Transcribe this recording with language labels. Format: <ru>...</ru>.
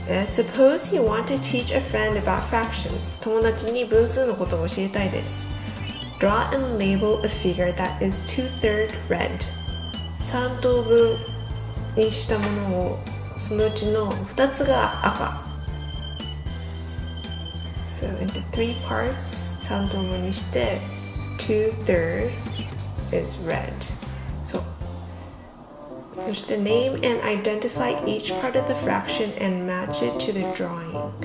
<en>Suppose you want to teach a friend about fractions.</en> <ja>友達に分数のことを教えたいです。</ja> <en>Draw and label a figure that is 2/3 red.</en> <ja>3等分にしたものをそのうちの2つが赤。</ja> <en>So into 3 parts,</en> <ja>3等分にして</ja> <en>2/3 is red. So, そして name and identify each part of the fraction and match it to the drawing.</en>